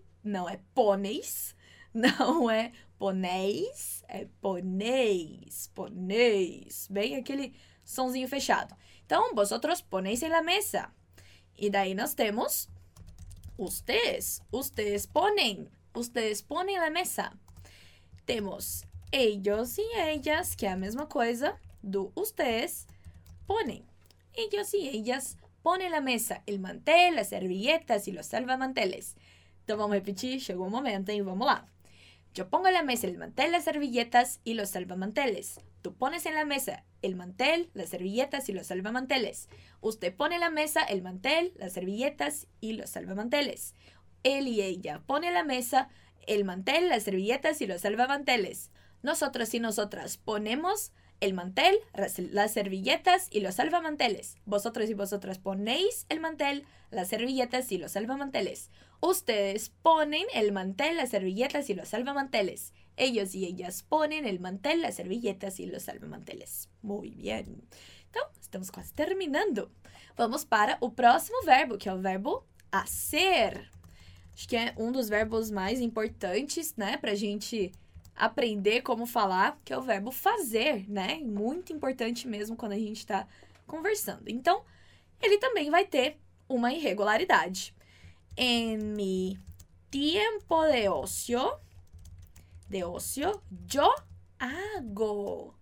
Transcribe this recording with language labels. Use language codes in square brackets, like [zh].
[es] No es ponéis, no es ponéis, es ponéis. Bien, aquel [pt] sonzinho fechado. [es] Entonces, vosotros ponéis en la mesa. [pt] E daí nós temos [es] ustedes ponen la mesa. [pt] Temos [es] ellos y ellas, [pt] que é a mesma coisa do [es] ustedes ponen. Ellos y ellas ponen la mesa, el mantel, las servilletas y los salvamanteles. [pt] Então vamos repetir, chegou o momento, hein? Vamos lá. [es] Yo pongo la mesa, el mantel, las servilletas y los salvamanteles. Tú pones en la mesa el mantel, las servilletas y los salvamanteles. Usted pone la mesa, el mantel, las servilletas y los salvamanteles. Él y ella pone la mesa, el mantel, las servilletas y los salvamanteles. Nosotros y nosotras ponemos el mantel, las servilletas y los salvamanteles. Vosotros y vosotras ponéis el mantel, las servilletas y los salvamanteles. Ustedes ponen el mantel, las servilletas y los salvamanteles. Ellos y ellas ponen el mantel, las servilletas y los salvamanteles. Muy bien. [pt] Então, estamos quase terminando. Vamos para o próximo verbo, que é o verbo hacer. Acho que é um dos verbos mais importantes, né, para a gente aprender como falar, que é o verbo fazer, né? Muito importante mesmo quando a gente está conversando. Então, ele também vai ter uma irregularidade. [es] En mi tiempo de ocio, yo hago.